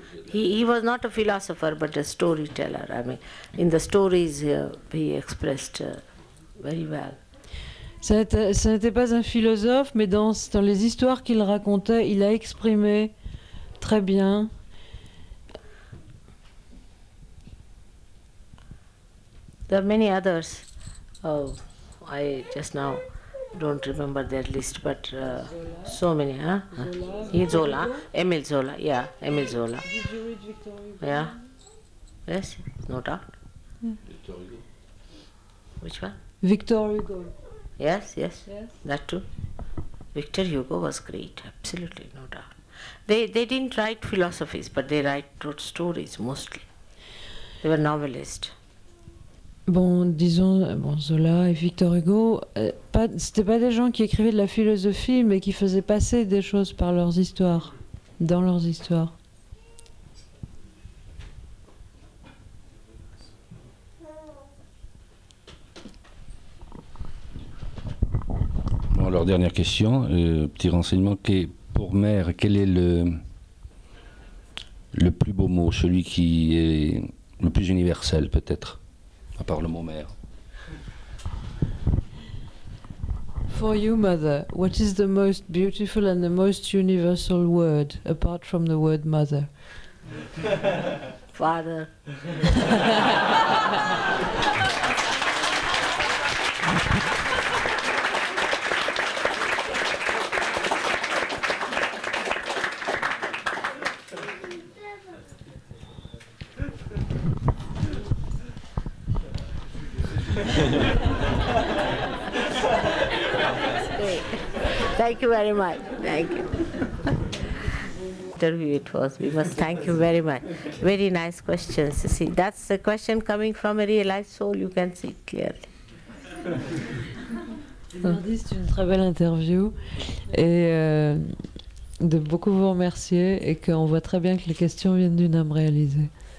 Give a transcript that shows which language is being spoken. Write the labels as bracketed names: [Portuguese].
[English] He was not a philosopher, but a storyteller. I mean, in the stories he expressed very well. [French] Ça n'était pas un philosophe, mais dans les histoires qu'il racontait, il a exprimé très bien. [English] There are many others. Oh, I just now don't remember their list, but so many, huh? Zola. Emile Zola, yeah, Emile Zola. Did you read Victor Hugo? Yeah, yes, no doubt. Yeah. Victor Hugo. Which one? Victor Hugo. Yes, yes, yes, that too. Victor Hugo was great, absolutely, no doubt. They didn't write philosophies, but they wrote stories mostly. They were novelists. [French] Bon, disons, bon, Zola et Victor Hugo, c'était pas des gens qui écrivaient de la philosophie, mais qui faisaient passer des choses par leurs histoires, dans leurs histoires. Bon, alors, dernière question, petit renseignement, pour mère, quel est le plus beau mot, celui qui est le plus universel peut-être? À part le mot mère. [English] For you, mother, what is the most beautiful and the most universal word apart from the word mother? Father. Thank you very much. Thank you. Interview it was. We must thank you very much. Very nice questions. You see, that's a question coming from a realized soul. You can see it clearly. [French] Mardi, c'est une très belle interview et de beaucoup vous remercier et qu'on voit très bien que les questions viennent d'une âme réalisée.